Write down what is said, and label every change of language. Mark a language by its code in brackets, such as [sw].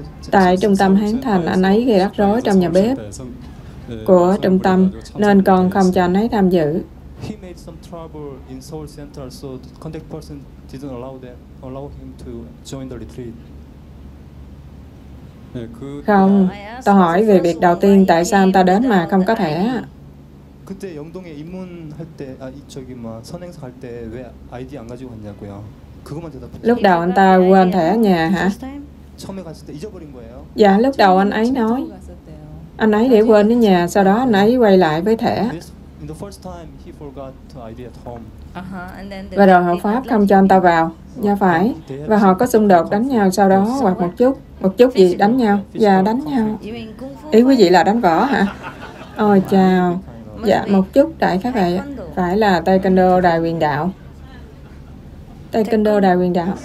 [vi] Tại trung tâm Hán Thành, anh ấy gây rắc rối trong nhà bếp của trung tâm, nên còn không cho anh ấy tham dự. [en] He made some trouble in Seoul Center, so the contact person didn't allow him to join the retreat. [vi] Không, tôi hỏi về việc đầu tiên tại sao anh ta đến mà không có thẻ. [ko] 그때 영동에 입문할 때, 아, 저기 뭐 선행사 갈 때 왜 아이디 안 가지고 갔냐고요. 그것만 대답해. [vi] Lúc đầu anh ta quên thẻ ở nhà hả? [ko] 처음에 갔을 때 잊어버린 거예요. [vi] Dạ, lúc đầu anh ấy nói. Anh ấy để quên ở nhà, sau đó anh ấy quay lại với thẻ. [en] The first time he forgot the ID at home. [vi] Và rồi hộ pháp không cho anh ta vào. Dạ phải. Và họ có xung đột đánh nhau sau đó hoặc một chút. Một chút gì đánh nhau? Dạ đánh nhau. Ý quý vị là đánh võ hả? Ôi chào. Dạ một chút đại khái vậy. Phải là Taekwondo Đại Huyền Đạo. Taekwondo Đại Huyền Đạo.